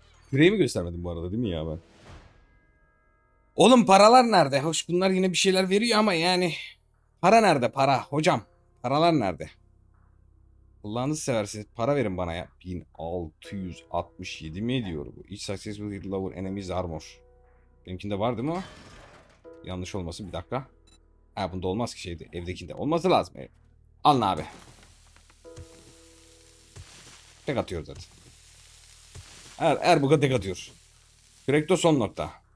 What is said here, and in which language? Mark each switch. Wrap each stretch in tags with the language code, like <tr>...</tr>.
<tr>Küreği mi göstermedim bu arada değil mi ya ben? Oğlum paralar nerede? Hoş bunlar yine bir şeyler veriyor ama yani. Para nerede para? Hocam paralar nerede? Allah'ını seversiniz para verin bana ya. 1667 mi diyor bu?</tr> <en>Each successful hit lower enemy's armor.</en> <tr>Benimkinde var değil mi o? Yanlış olmasın bir dakika. Ha bunda olmaz ki şeydi. Evdekinde olması lazım. Ev. Alın abi. Tek atıyor zaten. Er bu kadar tek atıyor. Direkt de son nokta.</tr>